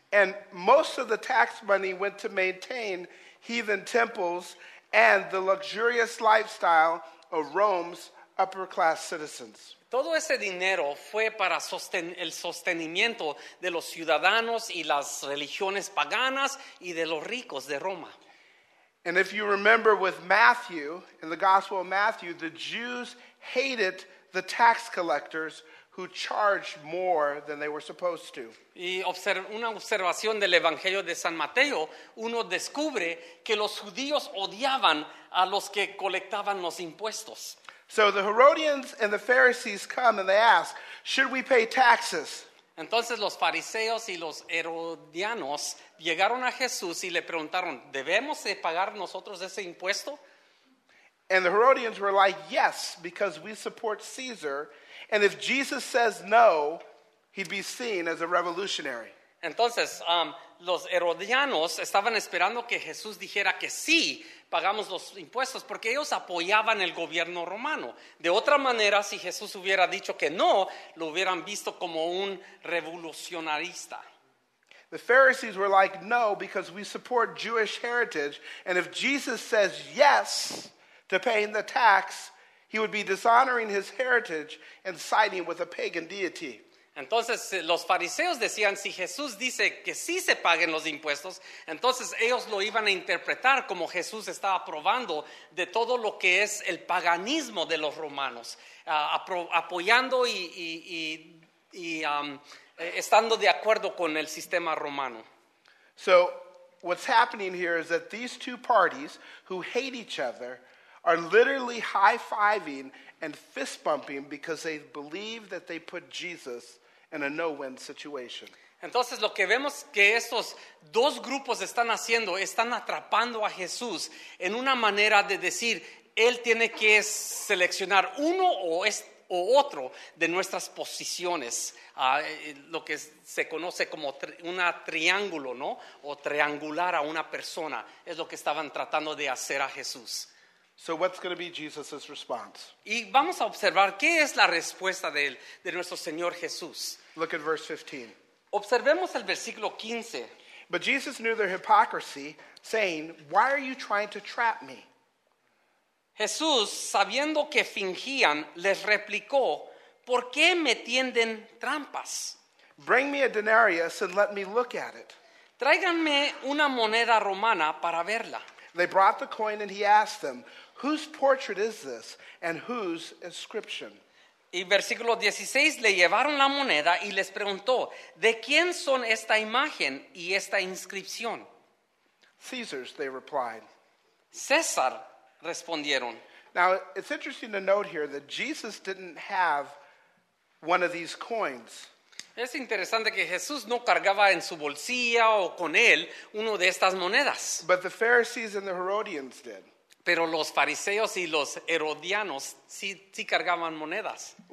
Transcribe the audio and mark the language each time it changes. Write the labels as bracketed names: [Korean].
[English] And most of the tax money went to maintain heathen temples and the luxurious lifestyle of Rome's upper class citizens. [Spanish] Todo ese dinero fue para el sostenimiento de los ciudadanos y las religiones paganas y de los ricos de Roma. [English] And if you remember with Matthew, in the Gospel of Matthew, the Jews hated the tax collectors who charged more than they were supposed to. [Spanish] Y una observación del Evangelio de San Mateo, uno descubre que los judíos odiaban a los que colectaban los impuestos. [English] So the Herodians and the Pharisees come and they ask, should we pay taxes? [Spanish] Entonces los fariseos y los herodianos llegaron a Jesús y le preguntaron, ¿debemos de pagar nosotros ese impuesto? [English] And the Herodians were like, yes, because we support Caesar. And if Jesus says no, he'd be seen as a revolutionary. [Spanish] Entonces, los herodianos estaban esperando que Jesús dijera que sí, pagamos los impuestos, porque ellos apoyaban el gobierno romano. De otra manera, si Jesús hubiera dicho que no, lo hubieran visto como un revolucionarista. [English] The Pharisees were like, no, because we support Jewish heritage. And if Jesus says yes to paying the tax, he would be dishonoring his heritage and siding with a pagan deity. [Spanish] Entonces, los fariseos decían, si Jesús dice que sí se paguen los impuestos, entonces ellos lo iban a interpretar como Jesús estaba aprobando de todo lo que es el paganismo de los romanos, apoyando y estando de acuerdo con el sistema romano. [English] So, what's happening here is that these two parties who hate each other are literally high-fiving and fist-bumping because they believe that they put Jesus in a no-win situation. [Spanish] Entonces, lo que vemos que estos dos grupos están haciendo, están atrapando a Jesús en una manera de decir, él tiene que seleccionar uno o otro de nuestras posiciones, lo que se conoce como un triángulo, ¿no? O triangular a una persona, es lo que estaban tratando de hacer a Jesús. [English] So what's going to be Jesus' response? [Spanish] Y vamos a observar qué es la respuesta de él, de nuestro Señor Jesús. [English] Look at verse 15. [Spanish] Observemos el versículo 15. [English] But Jesus knew their hypocrisy, saying, why are you trying to trap me? [Spanish] Jesús, sabiendo que fingían, les replicó, ¿por qué me tienden trampas? [English] Bring me a denarius and let me look at it. [Spanish] Tráiganme una moneda romana para verla. [English] They brought the coin and he asked them, whose portrait is this and whose inscription? [Spanish] Y versículo 16, le llevaron la moneda y les preguntó, ¿de quién son esta imagen y esta inscripción? [English] Caesar's, they replied. [Spanish] César, respondieron. [English] Now, it's interesting to note here that Jesus didn't have one of these coins. [Spanish] Es interesante que Jesús no cargaba en su bolsillo o con él uno de estas monedas. [English] But the Pharisees and the Herodians did. [Spanish] Pero los fariseos y los herodianos sí cargaban monedas.